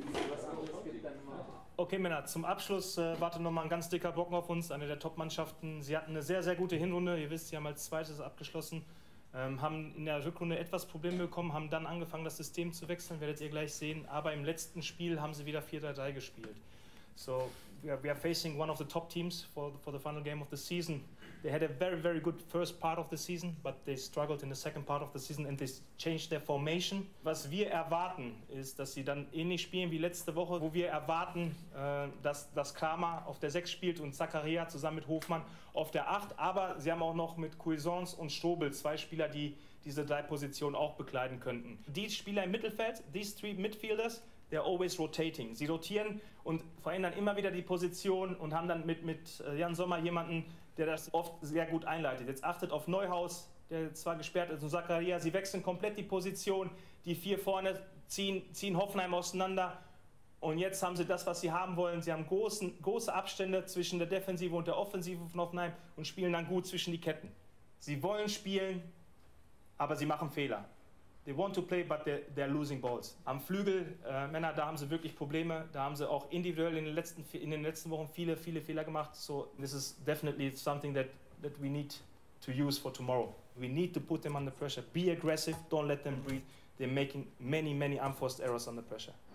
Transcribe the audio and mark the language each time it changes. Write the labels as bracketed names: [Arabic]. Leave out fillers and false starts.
[German] was anderes gibt dann mal. Okay, Männer, zum Abschluss wartet nochmal ein ganz dicker Brocken auf uns, eine der Top-Mannschaften. Sie hatten eine sehr, sehr gute Hinrunde. Ihr wisst, sie haben als Zweites abgeschlossen, haben in der Rückrunde etwas Probleme bekommen, haben dann angefangen, das System zu wechseln, werdet ihr gleich sehen. Aber im letzten Spiel haben sie wieder 4-3-3 gespielt. [English] So, we are facing one of the top teams for the final game of the season. They had a very, very good first part of the season, but they struggled in the second part of the season and they changed their formation. [German] Was wir erwarten, ist, dass sie dann ähnlich spielen wie letzte Woche, wo wir erwarten, dass das Kramer auf der 6 spielt und Zakaria zusammen mit Hofmann auf der 8. Aber sie haben auch noch mit Cuisance und Strobel zwei Spieler, die diese drei Positionen auch bekleiden könnten. Die Spieler im Mittelfeld, [English] these three midfielders, they're always rotating. [German] Sie rotieren und verändern immer wieder die Position und haben dann mit Jan Sommer jemanden, der das oft sehr gut einleitet. Jetzt achtet auf Neuhaus, der zwar gesperrt ist, und Zakaria. Sie wechseln komplett die Position. Die vier vorne ziehen Hoffenheim auseinander. Und jetzt haben sie das, was sie haben wollen. Sie haben große Abstände zwischen der Defensive und der Offensive von Hoffenheim und spielen dann gut zwischen die Ketten. Sie wollen spielen, aber sie machen Fehler. [English] They want to play, but they're losing balls. [German] Am Flügel, Männer, da haben sie wirklich Probleme. Da haben sie auch individuell in den letzten Wochen viele, viele Fehler gemacht. [English] So this is definitely something that we need to use for tomorrow. We need to put them under pressure. Be aggressive, don't let them breathe. They're making many, many unforced errors under pressure.